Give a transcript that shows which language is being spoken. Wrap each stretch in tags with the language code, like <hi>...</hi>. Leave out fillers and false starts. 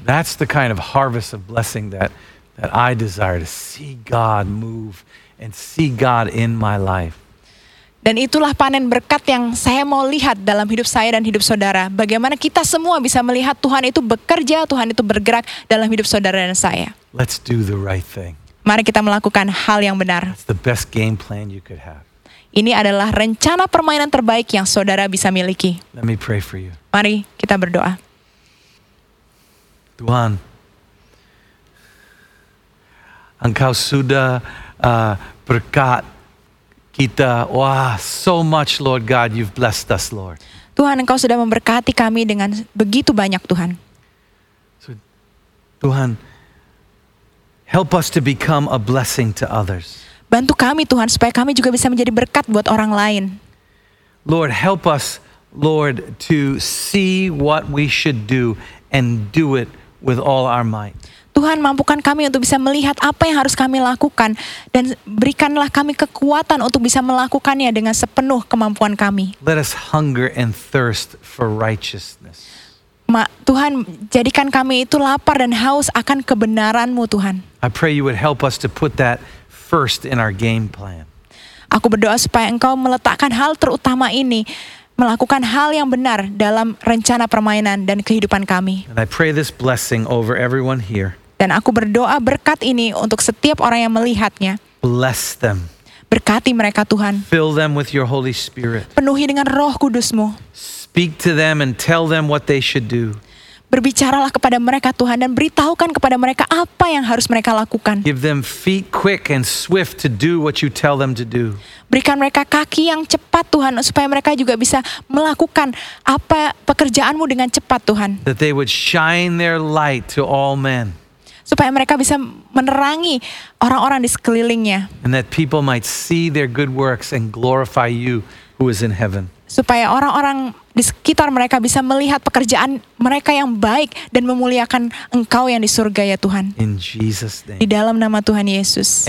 <en>That's the kind of harvest of blessing that I desire to see God move and see God in my life.</en> <id>Dan itulah panen berkat yang saya mau lihat dalam hidup saya dan hidup saudara. Bagaimana kita semua bisa melihat Tuhan itu bekerja, Tuhan itu bergerak dalam hidup saudara dan saya.</id> <en>Let's do the right thing.</en> <id>Mari kita melakukan hal yang benar.</id> <en>It's the best game plan you could have.</en> <id>Ini adalah rencana permainan terbaik yang saudara bisa miliki.</id> <en>Let me pray for you.</en> <id>Mari kita berdoa. Tuhan, Engkau sudah berkat kita.</id> <en>Wah, so much Lord God, you've blessed us Lord.</en> <id>Tuhan, Engkau sudah memberkati kami dengan begitu banyak Tuhan.</id> <en>So, Tuhan, help us to become a blessing to others.</en> <id>Bantu kami Tuhan supaya kami juga bisa menjadi berkat buat orang lain.</id> <en>Lord, help us Lord, to see what we should do and do it with all our might.</en> <id>Tuhan, mampukan kami untuk bisa melihat apa yang harus kami lakukan dan berikanlah kami kekuatan untuk bisa melakukannya dengan sepenuh kemampuan kami.</id> <en>Let us hunger and thirst for righteousness.</en> <id>Tuhan, jadikan kami itu lapar dan haus akan kebenaran-Mu, Tuhan.</id> <en>I pray you would help us to put that first in our game plan.</en> <id>Aku berdoa supaya Engkau meletakkan hal terutama ini, melakukan hal yang benar dalam rencana permainan dan kehidupan kami.</id> <en>And I pray this blessing over everyone here.</en> <id>Dan aku berdoa berkat ini untuk setiap orang yang melihatnya.</id> <en>Bless them.</en> <id>Berkati mereka, Tuhan.</id> <en>Fill them with your Holy Spirit.</en> <id>Penuhi dengan Roh Kudus-Mu.</id> <en>Speak to them and tell them what they should do.</en> <id>Berbicaralah kepada mereka, Tuhan, dan beritahukan kepada mereka apa yang harus mereka lakukan.</id> <en>Give them feet quick and swift to do what you tell them to do.</en> <id>Berikan mereka kaki yang cepat, Tuhan, supaya mereka juga bisa melakukan apa pekerjaan-Mu dengan cepat, Tuhan.</id> <en>That they would shine their light to all men.</en> <id>Supaya mereka bisa menerangi orang-orang di sekelilingnya.</id> <en>And that people might see their good works and glorify you who is in heaven.</en> <id>Supaya orang-orang di sekitar mereka bisa melihat pekerjaan mereka yang baik dan memuliakan Engkau yang di surga, ya Tuhan.</id> <en>In Jesus name.</en> <id>Di dalam nama Tuhan Yesus.</id>